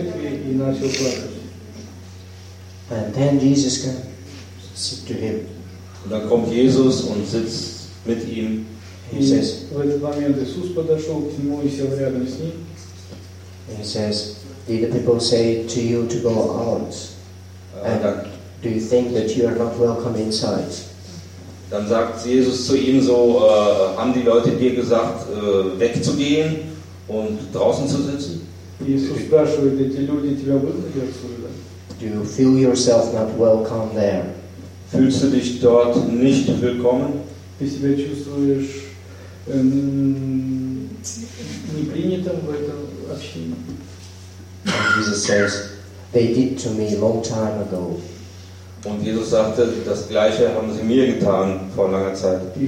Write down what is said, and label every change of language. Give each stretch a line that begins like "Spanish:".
English: And then Jesus comes to him.
German: Und dann kommt Jesus und sitzt mit ihm.
English: He says, did the people say to you to go out? And do you think that you are not welcome inside?
German: Dann sagt Jesus zu ihm so, haben die Leute dir gesagt, wegzugehen und draußen zu sitzen? Jesus fragt, die Leute dir wegzugehen?
English: Do you feel yourself not welcome there?
German: Fühlst du dich dort nicht willkommen? Bist du dich nicht willkommen in dieser Gemeinde?
English: Jesus says, they did to me a long time ago.
German: Und Jesus sagte, das Gleiche haben sie mir getan vor langer Zeit.